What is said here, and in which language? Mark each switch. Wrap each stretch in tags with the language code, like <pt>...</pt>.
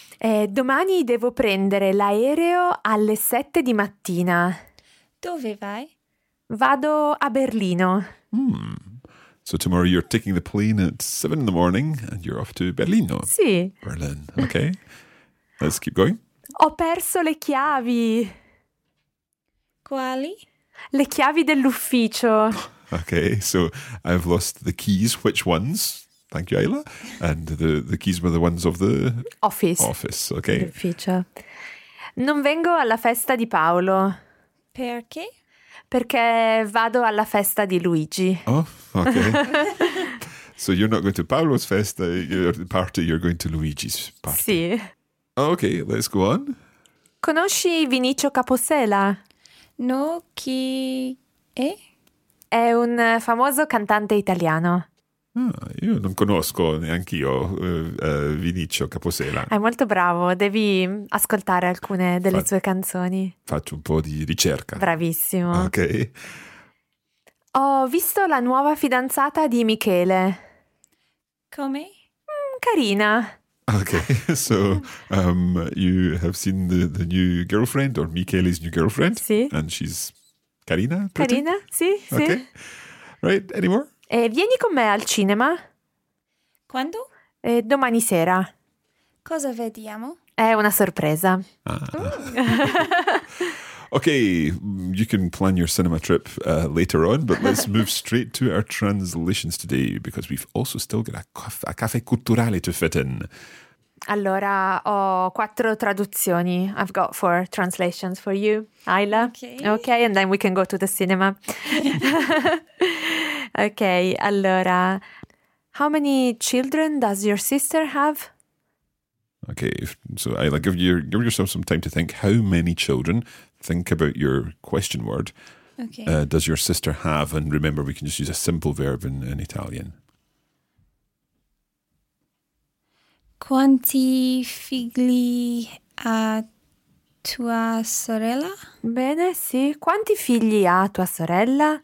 <it>Domani devo prendere l'aereo alle 7 di mattina. Dove vai? Vado a Berlino.</it> <en>So tomorrow you're taking the plane at 7 in the morning and you're off to Berlino.</en> <it>Sì.</it> <en>Berlin. Okay. Let's keep going.</en> <it>Ho perso le chiavi. Quali? Le chiavi dell'ufficio.</it> <en>Okay. So I've lost the keys. Which ones? Thank you, Ayla. And the keys were the ones of the... Office. Office. Okay.</en> <it>L'ufficio. Non vengo alla festa di Paolo. Perché? Perché vado alla festa di Luigi. Oh, okay. So you're not going to Paolo's festa, your party, you're going to Luigi's party. Sì. Okay, let's go on. Conosci Vinicio Capossela? No, chi è? È un famoso cantante italiano. Ah, io non conosco neanch'io Vinicio Capossela. È molto bravo, devi ascoltare alcune delle sue canzoni. Faccio un po' di ricerca. Bravissimo. Ok. Ho visto la nuova fidanzata di Michele. Come? Carina.</it> <en>Ok, so you have seen the new girlfriend or Michele's new girlfriend?</en> <it>Sì.</it> <en>And she's Carina?</en> <it>Carina, sì, sì.</it> <en>Ok. Right, anymore?</en> <it>Vieni con me al cinema. Quando? Domani sera. Cosa vediamo? È una sorpresa. Ah.</it> <en>Okay, you can plan your cinema trip later on, but let's move straight to our translations today, because we've also still got a caffè culturale to fit in.</en> <it>Allora, ho quattro traduzioni.</it> <en>I've got four translations for you, Ayla. Okay, and then we can go to the cinema. Okay, allora, how many children does your sister have? Okay, so Ayla, give yourself some time to think. How many children? Think about your question word. Okay. Does your sister have? And remember, we can just use a simple verb in Italian.</en> <it>Quanti figli ha tua sorella? Bene, sì. Quanti figli ha tua sorella?</it>